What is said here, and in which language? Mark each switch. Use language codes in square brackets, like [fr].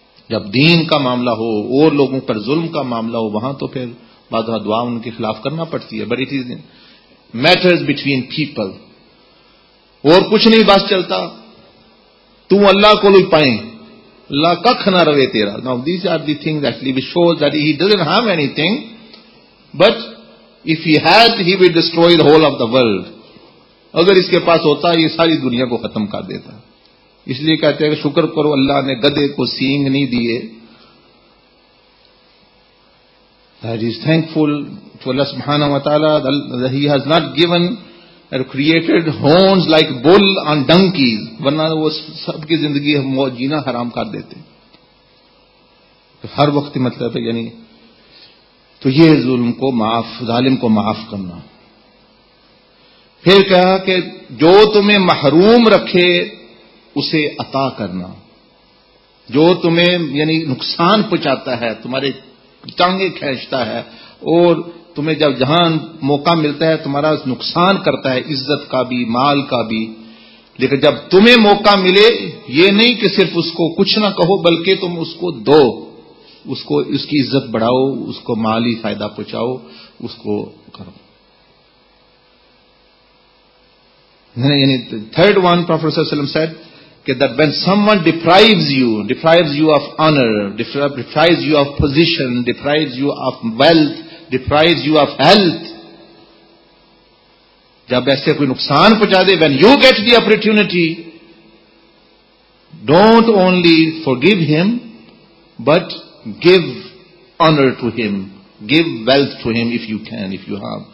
[ur] جب دین کا معاملہ ہو، اور لوگوں پر ظلم کا معاملہ ہو، وہاں تو پھر بعض دعا ان کے خلاف کرنا پڑتی ہے. بڑی چیز [en] matters between people، [ur] اور کچھ نہیں بس چلتا، تو اللہ کو لوگ پائیں، اللہ ککھ نہ روے تیرا. [en] Now these are the things actually which shows that he doesn't have anything، but if he had he would destroy the whole of the world. [ur] اگر اس کے پاس ہوتا یہ ساری دنیا کو ختم کر دیتا. اس لیے کہتے ہیں کہ شکر کرو اللہ نے گدے کو سینگ نہیں دیے، [en] that is thankful to Allah subhanahu wa ta'ala that he has not given or created horns like bull on donkeys، [ur] ورنہ وہ سب کی زندگی موت جینا حرام کر دیتے ہر وقت، مطلب ہے یعنی. تو یہ ظلم کو معاف، ظالم کو معاف کرنا. پھر کہا کہ جو تمہیں محروم رکھے اسے عطا کرنا، جو تمہیں یعنی نقصان پہنچاتا ہے، تمہارے ٹانگیں کھینچتا ہے، اور تمہیں جب جہاں موقع ملتا ہے تمہارا نقصان کرتا ہے، عزت کا بھی مال کا بھی، لیکن جب تمہیں موقع ملے، یہ نہیں کہ صرف اس کو کچھ نہ کہو بلکہ تم اس کو دو، اس کو اس کی عزت بڑھاؤ، اس کو مالی فائدہ پہنچاؤ، اس کو کرو. [en] The third one, Prophet ﷺ said, that when someone deprives you of honor, deprives you of position, deprives you of wealth, deprives you of health, when you get the opportunity, don't only forgive him, but give honor to him, give wealth to him if you can, if you have.